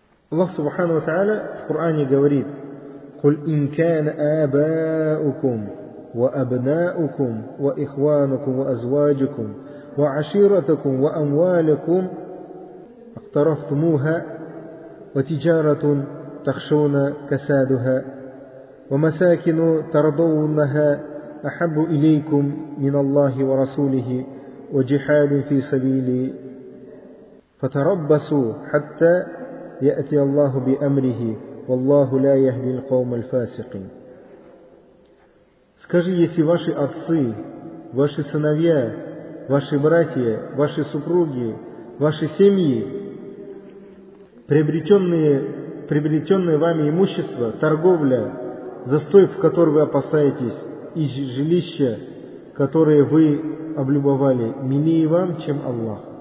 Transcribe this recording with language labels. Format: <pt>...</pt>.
<ru>Аллах Субхану ва Тааля в Коране говорит:</ru> <ar>«Куль ин кана абаукум وأبناؤكم وإخوانكم وأزواجكم وعشيرتكم وأموالكم اقترفتموها وتجارة تخشون كسادها ومساكن ترضونها أحب إليكم من الله ورسوله وجحاد في سبيله فتربصوا حتى يأتي الله بأمره والله لا يهدي القوم الفاسقين.</ar> <ru>Скажи, если ваши отцы, ваши сыновья, ваши братья, ваши супруги, ваши семьи, приобретенные вами имущество, торговля, застой, в который вы опасаетесь, и жилища, которые вы облюбовали, милее вам, чем Аллах.</ru>